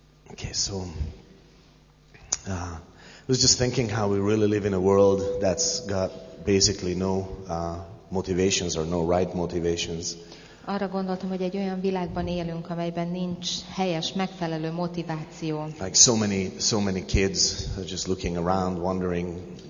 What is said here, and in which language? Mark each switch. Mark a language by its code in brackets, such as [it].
[en] Okay, so I was just thinking how we really live in a world that's got basically no motivations or no right motivations. [hu] Arra gondoltam, hogy egy olyan világban élünk, amelyben nincs helyes, megfelelő motiváció. [en] Like so many kids are just looking around, wondering.